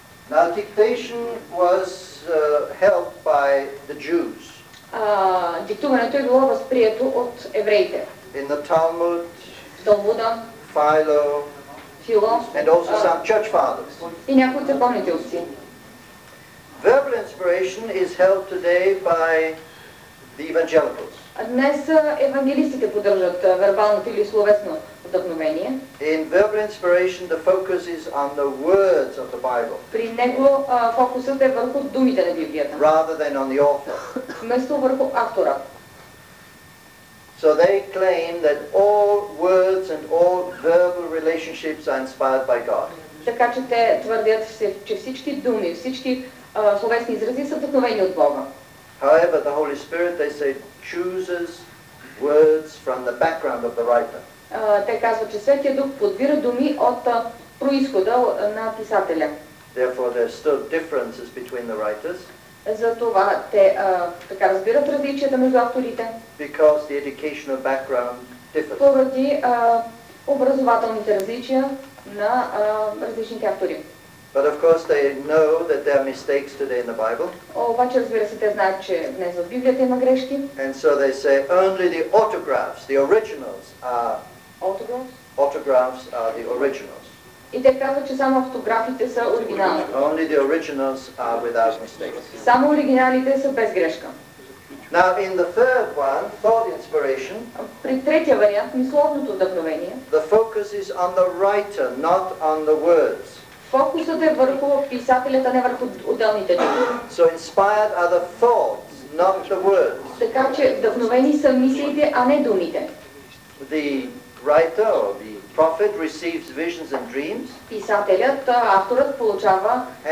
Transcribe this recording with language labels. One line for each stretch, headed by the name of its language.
English: Now dictation was helped by the Jews.
Bulgarian: Диктуването е било възприето от евреите.
English: In the Talmud,
Bulgarian: Талмуда,
English: Philo, and also some church fathers.
Bulgarian: И някои църковници.
English: Verbal inspiration is helped today by the evangelicals.
Bulgarian: Днес евангелистите поддържат вербалното или словесно вдъхновение.
English: In verbal inspiration the focus is on the words of the Bible.
Bulgarian: При него фокусът е върху думите на Библията.
English: Rather than on the author.
Bulgarian: Вместо върху автора.
English: So they claim that all words and all verbal relationships are inspired by God.
Bulgarian: Така че те твърдят, че всички думи, всички словесни изрази са вдъхновени от Бога.
English: However, the Holy Spirit, they say, chooses words from the background of the writer.
Bulgarian: Те казват, че Светия Дух подбира думи от произхода на писателя.
English: Therefore, there are still differences between the writers.
Bulgarian: Затова те така разбират различията между авторите.
English: Because the educational background differs.
Bulgarian: Поради образователните различия на различните автори.
English: But of course they know that there are mistakes today in the Bible.
Bulgarian: Обаче, разбира се, те знаят, че днес в Библията има грешки.
English: And so they say only the autographs, the originals are autographs are the originals.
Bulgarian: И те казват, че само автографите са оригиналните.
English: Only the originals are without mistakes.
Bulgarian: Само оригиналите са без грешка.
English: Now in the third one, thought inspiration.
Bulgarian: При третия вариант, мисловното вдъхновение.
English: The focus is on the writer, not on the words.
Bulgarian: Фокусът е върху писателя, не върху отделните думи.
English: So inspired are the thoughts, not the words.
Bulgarian: Така че вдъхновени са мислите, а не думите.
English: The writer or the prophet receives visions and dreams.
Bulgarian: Писателят, авторът получава